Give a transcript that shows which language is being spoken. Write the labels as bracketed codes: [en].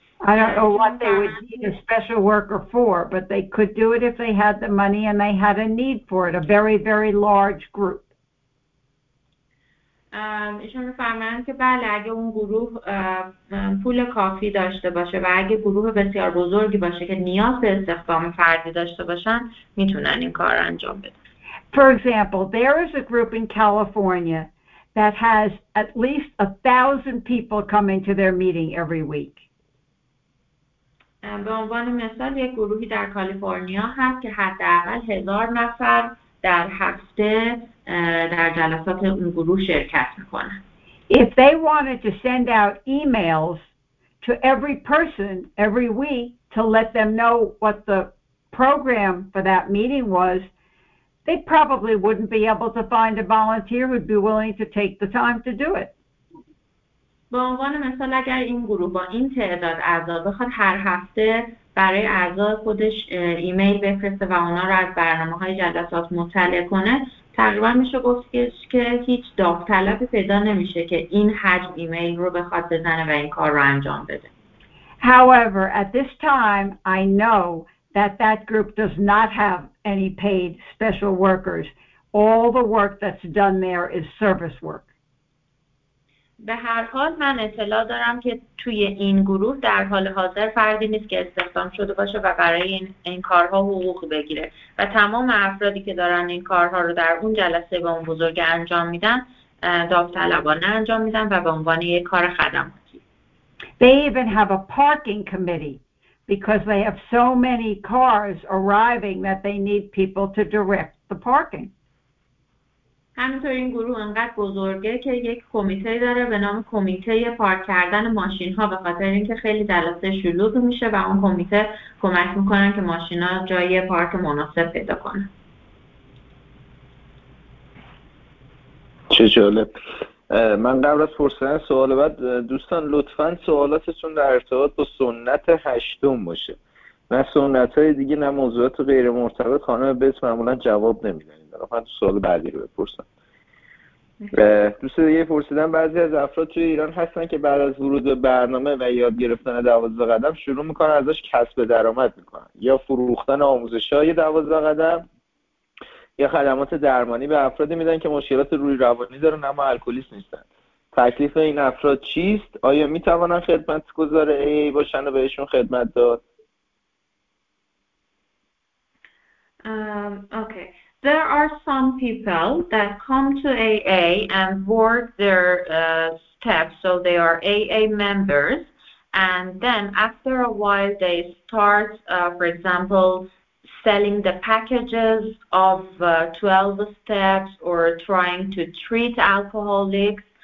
[en] I don't know what they would need a special worker for, but they could do it if they had the money and they had a need for it, a very, very large group. [fa] ایشون می‌فرمایند که بله، اگه اون گروه پول کافی داشته باشه و اگه گروه بسیار بزرگی باشه که نیاز به استخدام فردی داشته باشن، میتونن این کار انجام بدن. [en] For example, there is a group in California that has at least 1,000 people coming to their meeting every week. [fa] به عنوان مثال یک گروهی در کالیفرنیا هست که حداقل 1,000 نفر در هفته در جلسات اون گروه شرکت میکنن. [en] If they wanted to send out emails to every person every week to let them know what the program for that meeting was, they probably wouldn't be able to find a volunteer who'd be willing to take the time to do it. [fa] به عنوان مثال اگر این گروه با این تعداد اعضا بخواد هر هفته برای اعضا خودش ایمیل بفرسته و اونا رو از برنامه‌های جلسات مطلع کنه، تقریبا میشه گفت که هیچ داوطلبی پیدا نمیشه که این حجم ایمیل رو بخواد بزنه و این کار رو انجام بده. [en] However, at this time I know that that group does not have any paid special workers. All the work that's done there is service work. [fa] به هر حال من اطلاع دارم که توی این گروه در حال حاضر فردی نیست که استخدام شده باشه و برای این کارها حقوق بگیره، و تمام افرادی که دارن این کارها رو در اون جلسه به اون بزرگ انجام میدن داوطلبانه انجام میدن و به عنوان یک کار خدماتی. [en] They even have a parking committee because they have so many cars arriving that they need people to direct the parking. [fa] همینطور این گروه انقدر بزرگه که یک کمیته داره به نام کمیته پارک کردن ماشین ها، به خاطر اینکه خیلی جلسه شلوغ میشه و اون کمیته کمک میکنن که ماشین ها جای پارک مناسب پیدا کنن. چه جالب. من قبل از پرسیدن سوال بعد دوستان لطفاً سوالاتتون در ارتباط با سنت هشتم باشه. نه سنت های دیگه نه موضوعات غیر مرتبط خانم بیت معمولا جواب نمیدن. من فقط سوال بعدی رو بپرسم. دوست دیگه پرسیدن بعضی از افراد توی ایران هستن که بعد از ورود به برنامه و یاد گرفتن 12 قدم شروع میکنن ازش کسب درآمد میکنن، یا فروختن آموزش های 12 قدم یا خدمات درمانی به افرادی میدن که مشکلات روی روانی دارن اما الکلیست نیستن. تکلیف این افراد چیست؟ آیا میتوانن خدمت گذاره ای باشن و بهشون خدمت داد؟ [en] Okay. There are some people that come to AA and work their steps, so they are AA members, and then after a while they start, for example, selling the packages of 12 steps or trying to treat alcoholics.